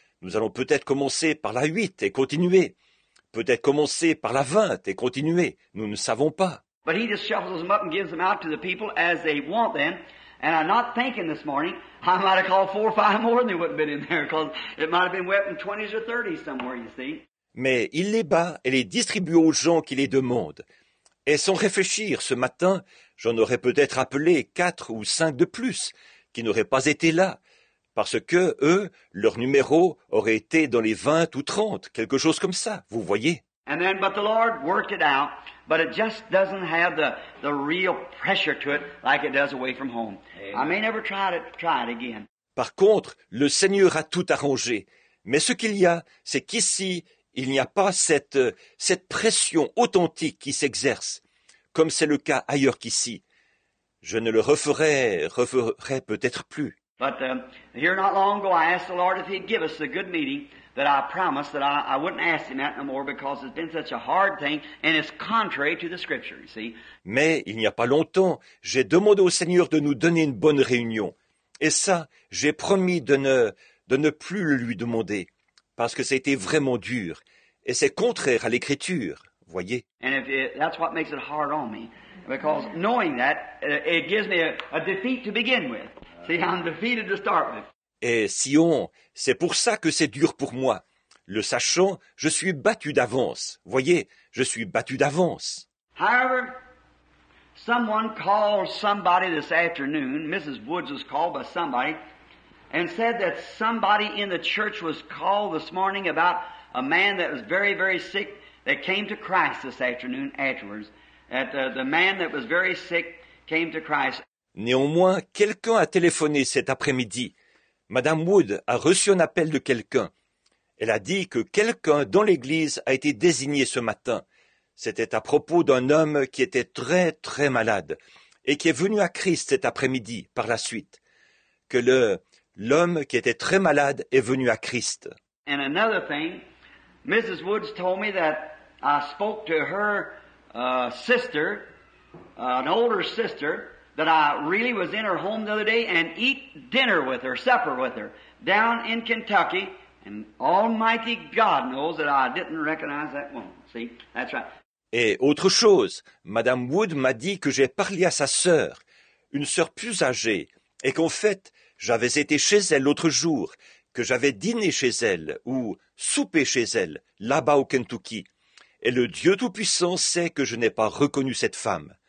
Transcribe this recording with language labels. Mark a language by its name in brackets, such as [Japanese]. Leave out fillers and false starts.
[French] Nous allons peut-être commencer par la 8 et continuer. Peut-être commencer par la 20 et continuer. Nous ne savons pas. [English] But he just shuffles them up and gives them out to the people as they want them. And I'm not thinking this morning, I might have called four or five more and they wouldn't have been in there because it might have been wet in 20s or 30s somewhere, you see. [French] Mais il les bat et les distribue aux gens qui les demandent. Et sans réfléchir, ce matin, j'en aurais peut-être appelé 4 ou 5 de plus qui n'auraient pas été là. Parce que, eux, leur numéro aurait été dans les 20 ou 30, quelque chose comme ça, vous voyez. [English] And then, but the Lord worked it out, but it just doesn't have the real pressure to it like it does away from home. Amen. I may never try it again. [French] Par contre, le Seigneur a tout arrangé. Mais ce qu'il y a, c'est qu'ici, il n'y a pas cette pression authentique qui s'exerce, comme c'est le cas ailleurs qu'ici. Je ne le referai peut-être plus. [English] But here not long ago, I asked the Lord if he'd give us a good meeting that I promised that I wouldn't ask him that no more because it's been such a hard thing and it's contrary to the Scripture, you see. [French] Mais il n'y a pas longtemps, j'ai demandé au Seigneur de nous donner une bonne réunion. Et ça, j'ai promis de ne plus le lui demander parce que c'était vraiment dur. Et c'est contraire à l'Écriture, voyez. [English] And that's what makes it hard on me because knowing that, it gives me a defeat to begin with. See, I'm defeated to start with. [French] Et Sion, c'est pour ça que c'est dur pour moi. Le sachant, je suis battu d'avance. Voyez, je suis battu d'avance. [English] However, someone called somebody this afternoon, Mrs. Woods was called by somebody, and said that somebody in the church was called this morning about a man that was very, very sick that came to Christ this afternoon afterwards. That the man that was very sick came to Christ. [French] Néanmoins, quelqu'un a téléphoné cet après-midi. Madame Wood a reçu un appel de quelqu'un. Elle a dit que quelqu'un dans l'église a été désigné ce matin. C'était à propos d'un homme qui était très, très malade et qui est venu à Christ cet après-midi par la suite. Que l'homme qui était très malade est venu à Christ. [English] And another thing, Mrs. Woods told me that I spoke to her sister, an older sister, that I really was in her home the other day and eat dinner with her, supper with her, down in Kentucky. And Almighty God knows that I didn't recognize that woman. See, that's right. [French] Et autre chose, Madame Wood m'a dit que j'ai parlé à sa sœur, une sœur plus âgée, et qu'en fait, j'avais été chez elle l'autre jour, que j'avais dîné chez elle ou soupé chez elle, là-bas au Kentucky. Et le Dieu Tout-Puissant sait que je n'ai pas reconnu cette femme.